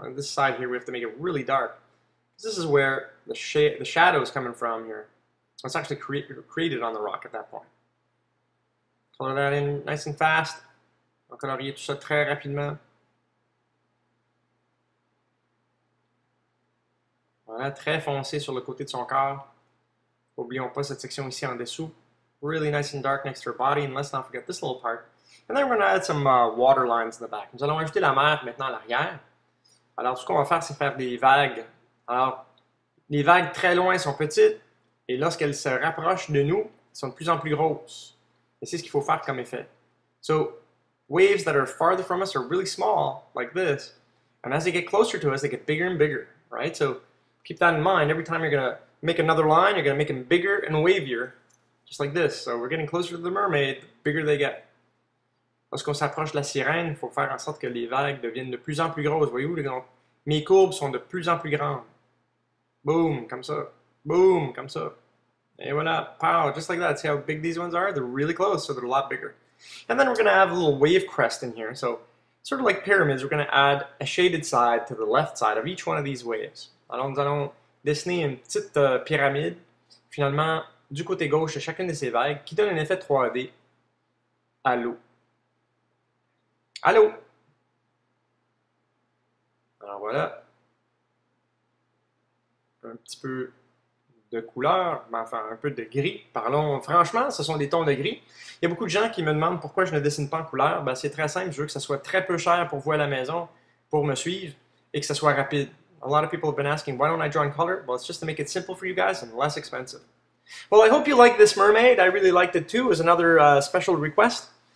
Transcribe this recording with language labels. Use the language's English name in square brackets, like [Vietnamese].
[English] On this side here, we have to make it really dark. This is where the shadow is coming from here. It's actually created on the rock at that point. Color that in nice and fast. [French] On va colorier tout ça très rapidement. Voilà, très foncé sur le côté de son corps. Oublions pas cette section ici en dessous. [English] Really nice and dark next to her body, and let's not forget this little part. And then we're going to add some water lines in the back. [French] Nous allons ajouter la mer maintenant à l'arrière. Alors, ce qu'on va faire, c'est faire des vagues. Alors, les vagues très loin sont petites, et lorsqu'elles se rapprochent de nous, elles sont de plus en plus grosses. Et c'est ce qu'il faut faire comme effet. [English] So, waves that are farther from us are really small, like this. And as they get closer to us, they get bigger and bigger, right? So, keep that in mind. Every time you're going to make another line, you're going to make them bigger and wavier. Just like this. So we're getting closer to the mermaid, the bigger they get. [French] Lorsqu'on s'approche de la sirène, il faut faire en sorte que les vagues deviennent de plus en plus grosses. Voyez-vous, mes courbes sont de plus en plus grandes. Boom, comme ça. Boom, comme ça. Et voilà, [English] pow, just like that. See how big these ones are? They're really close, so they're a lot bigger. And then we're going to have a little wave crest in here. So, sort of like pyramids, we're going to add a shaded side to the left side of each one of these waves. [French] Alors, nous allons dessiner une petite pyramide. Finalement, du côté gauche de chacune de ces vagues, qui donne un effet 3D à l'eau. Allô? Alors voilà. Un petit peu de couleur, mais enfin un peu de gris. Parlons franchement, ce sont des tons de gris. Il y a beaucoup de gens qui me demandent pourquoi je ne dessine pas en couleur. Ben, c'est très simple, je veux que ça soit très peu cher pour vous à la maison, pour me suivre, et que ça soit rapide. [English] A lot of people have been asking, why don't I draw in color? Well, it's just to make it simple for you guys and less expensive. Well, I hope you like this mermaid. I really liked it too. It was another special request.